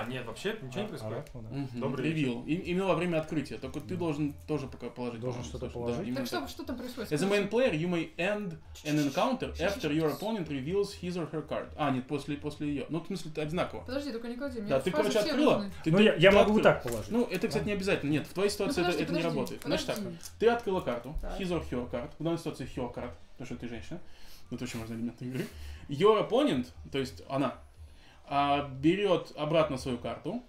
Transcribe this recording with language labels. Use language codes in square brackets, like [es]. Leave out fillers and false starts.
[ru] А, нет, вообще ничего не происходит. Оракул, да. Добрый ревил. Имел во время открытия. Только ты должен тоже пока положить. Должен что-то положить. Да, так что, что там происходит? [en] As a main player, you may end an encounter after your opponent reveals his or her card. [ru] А, нет, после ее. Ну, в смысле, это одинаково. Подожди, только не клади. Да, ты, короче, открыла. Ну, я могу так положить. Ну, это, кстати, не обязательно. Нет, в твоей ситуации это не работает. Значит так, ты открыла карту. [en] His or her card. [ru] В данной ситуации [en] her card. [ru] Потому что ты женщина. Это очень важный элемент игры. [en] Your opponent, [ru] то есть она, берет обратно свою карту.